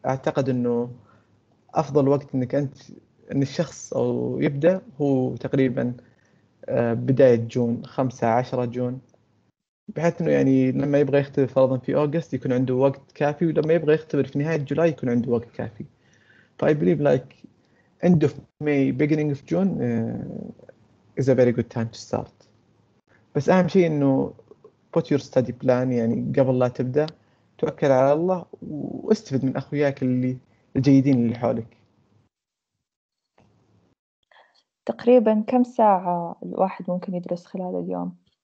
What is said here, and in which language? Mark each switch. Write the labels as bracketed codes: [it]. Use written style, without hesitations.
[ar] أعتقد أنه أفضل وقت أنك أنت أن الشخص أو يبدأ هو تقريبا بداية جون، 15 جون، بحيث أنه يعني لما يبغى يختبر فرضا في أوغست يكون عنده وقت كافي، ولما يبغى يختبر في نهاية جولاي يكون عنده وقت كافي. [en] فأي believe like end of May, beginning of June is a very good time to start. [ar] بس أهم شيء إنه [en] put your study plan [ar] يعني قبل لا تبدأ، توكل على الله واستفد من أخوياك اللي الجيدين اللي حولك. تقريبا كم ساعة الواحد ممكن يدرس خلال اليوم؟